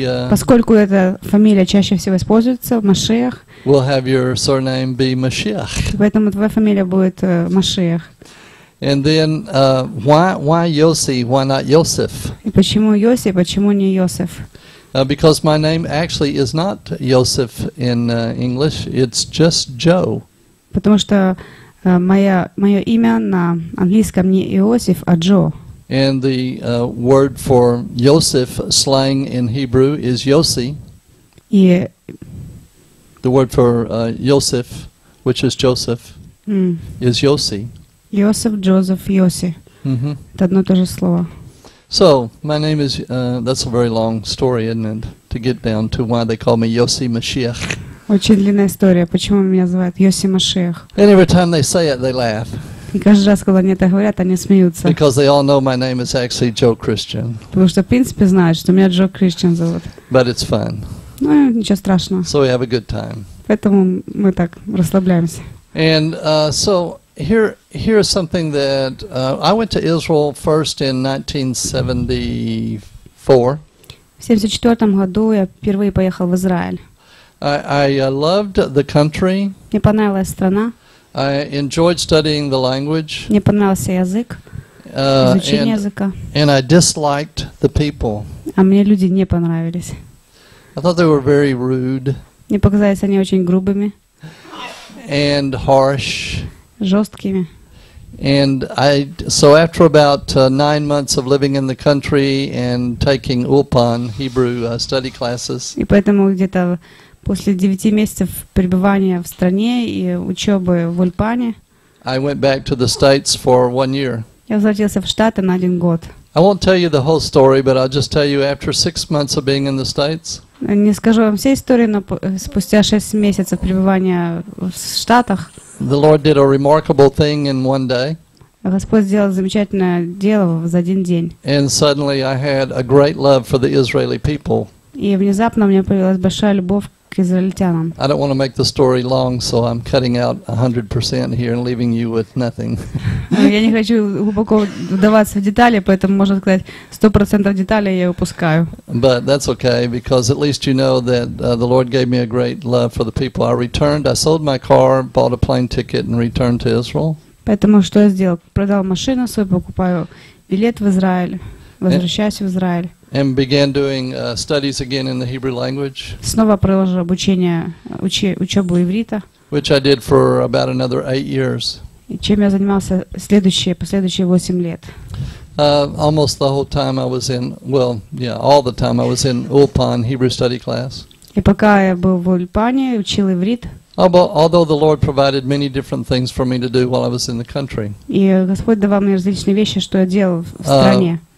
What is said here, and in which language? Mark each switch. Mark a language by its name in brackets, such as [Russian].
[Russian] поскольку эта фамилия чаще всего используется, Машиах. [English] We'll have your surname be Mashiach. [Russian] Поэтому твоя фамилия будет Машиах. [English] And then why Yossi? Why not Yosef? [Russian] И почему Йоси, почему не Йосеф? [English] Because my name actually is not Yosef in English. It's just Joe. [Russian] Потому что мое имя на английском не Иосиф, а Джо. [English] And the word for Yosef slang in Hebrew is Yossi. [Russian] И [English] the word for Yosef, which is Joseph, is Yossi. Yosef, Joseph, Yossi. Mm-hmm. [Russian] Это одно и то же слово. [English] So, my name is, that's a very long story, isn't it, to get down to why they call me Yossi Mashiach. [Russian] Очень длинная история, почему меня называют Йоси Машиах. [English] And every time they say it, they laugh. [Russian] И каждый раз, когда они это говорят, они смеются. [English] Because they all know my name is actually Joe Christian. [Russian] Потому что, в принципе, знают, что меня Джо Крищен зовут. [English] But it's fun. [Russian] Ну, ничего страшного. [English] So we have a good time. [Russian] Поэтому мы так расслабляемся. [English] And so here is something that I went to Israel first in 1974. [Russian] В 1974 году я впервые поехал в Израиль. [English] I loved the country. [Russian] Мне понравилась страна. [English] I enjoyed studying the language. [Russian] Мне понравился язык. Изучение языка. [English] And I disliked the people. [Russian] а мне люди не понравились. [English] I thought they were very rude. [Russian] Мне показались они очень грубыми. [English] And harsh. [Russian] Жесткими. [English] And I, so after about 9 months of living in the country and taking Ulpan Hebrew study classes. [Russian] И поэтому где-то после 9 месяцев пребывания в стране и учебы в Ульпане. [English] I went back to the States for 1 year. [Russian] Я возвратился в Штаты на один год. [English] I won't tell you the whole story, but I'll just tell you after 6 months of being in the States. [Russian] Не скажу вам всей истории, но спустя 6 месяцев пребывания в Штатах. [English] The Lord did a remarkable thing in one day. [Russian] Господь сделал замечательное дело за один день. [English] And suddenly I had a great love for the Israeli people. [Russian] И внезапно у меня появилась большая любовь к израильтянам. [English] I don't want to make the story long, so I'm cutting out 100% here and leaving you with nothing. [Russian] Я не хочу глубоко вдаваться в детали, поэтому можно сказать, 100% деталей я упускаю. [English] But that's okay, because at least you know that the Lord gave me a great love for the people. I returned, I sold my car, bought a plane ticket, and returned to Israel. [Russian] Поэтому что я сделал? Продал машину свою, покупаю билет в Израиль, возвращаюсь в Израиль. [English] And began doing studies again in the Hebrew language. [Russian] Снова продолжил обучение, учебу иврита. [English] Which I did for about another 8 years. [Russian] Чем я занимался последующие 8 лет. [English] Almost the whole time I was in, well, yeah, all the time I was in Ulpan Hebrew study class. [Russian] И пока я был в Ульпане, учил иврит. [English] Although the Lord provided many different things for me to do while I was in the country. [Russian] И Господь давал мне различные вещи, что я делал в стране.